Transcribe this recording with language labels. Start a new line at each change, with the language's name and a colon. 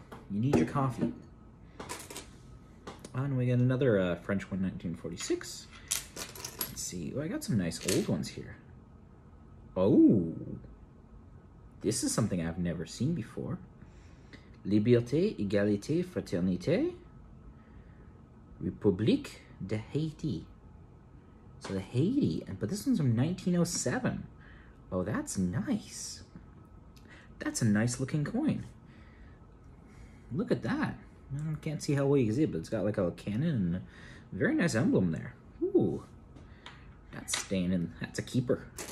English: You need your coffee. And we got another French one, 1946. Let's see. Oh, I got some nice old ones here. Oh, this is something I've never seen before.
French: Liberté, égalité, fraternité, République de Haïti.
English: So the Haiti, but this one's from 1907. Oh, that's nice. That's a nice looking coin. Look at that. I can't see how well you can see it, but it's got like a cannon and a very nice emblem there. Ooh, that's staying in. That's a keeper.